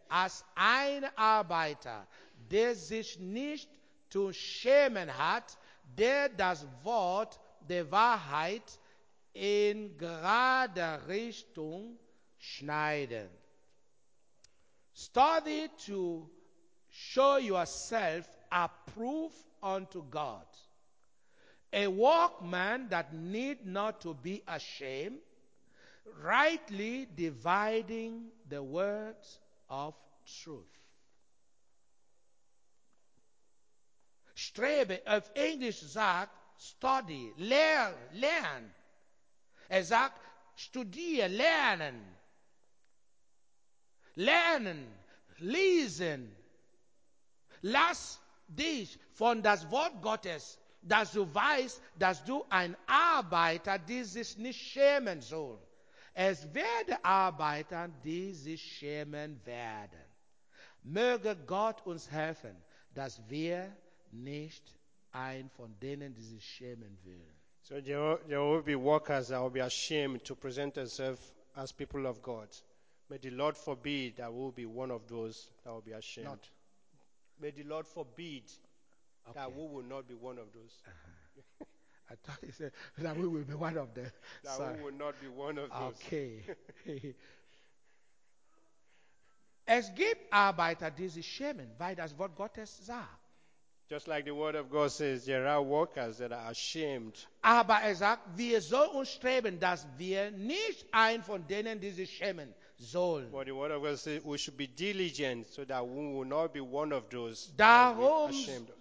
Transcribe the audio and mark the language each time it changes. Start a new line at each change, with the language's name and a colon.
German: Als ein Arbeiter, der sich nicht zu schämen hat, der das Wort der Wahrheit in gerader Richtung schneiden.
English: Study to show yourself approved unto God, a workman that need not to be ashamed, rightly dividing the words of truth.
German: Strebe, auf Englisch sagt, study, lernen. Sagt, studieren, lernen. Lernen, lesen. Lass dich von das Wort Gottes, dass du weißt, dass du ein Arbeiter, die sich nicht schämen soll. Es werden Arbeiter, die sich schämen werden. Möge Gott uns helfen, dass wir nicht ein von denen, die sich schämen will.
English: So there will be workers that will be ashamed to present themselves as people of God. May the Lord forbid that we will be one of those that will be ashamed. Not. May the Lord forbid that we will not be one of those. I thought he said that we will be one of them. That Sorry. We will not be one of those. Okay.
German: Es gibt Arbeiter, die sich schämen, weil das Wort Gottes sagt.
English: Just like the word of God says, there are workers that are ashamed.
German: Aber er sagt, wir sollen uns streben, dass wir nicht ein von denen, die sich schämen, sollen.
English: But the word of God says, we should be diligent so that we will not be one of those ashamed.